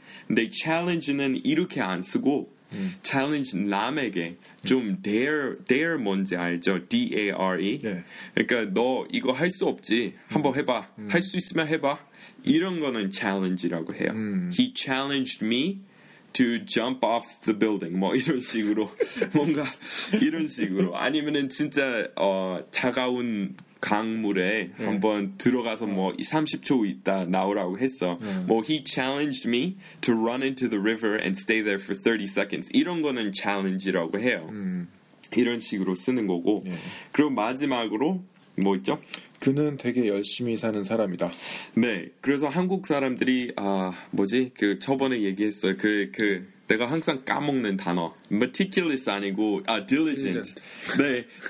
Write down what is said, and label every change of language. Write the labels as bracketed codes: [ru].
[ko] 근데 challenge는 이렇게 안 쓰고 challenge 남에게 좀 dare 뭔지 알죠? D-A-R-E 네. 그러니까 너 이거 할 수 없지 한번 해봐 할 수 있으면 해봐 이런 거는 challenge라고 해요. [en] He challenged me to jump off the building. [ko] 뭐 이런 식으로 뭔가 이런 식으로 아니면은 진짜 차가운 강물에 네. 한번 들어가서 뭐 30초 있다 나오라고 했어. 네. [en] 뭐 he challenged me to run into the river and stay there for 30 seconds. [ko] 이런 거는 challenge라고 해요. 이런 식으로 쓰는 거고. 네. 그럼 마지막으로 뭐 있죠? 그는 되게 열심히 사는 사람이다. 네. 그래서 한국 사람들이 뭐지? 그 저번에 얘기했어. 그 내가 항상 까먹는 단어. meticulous 아니고 diligent. diligent. 네.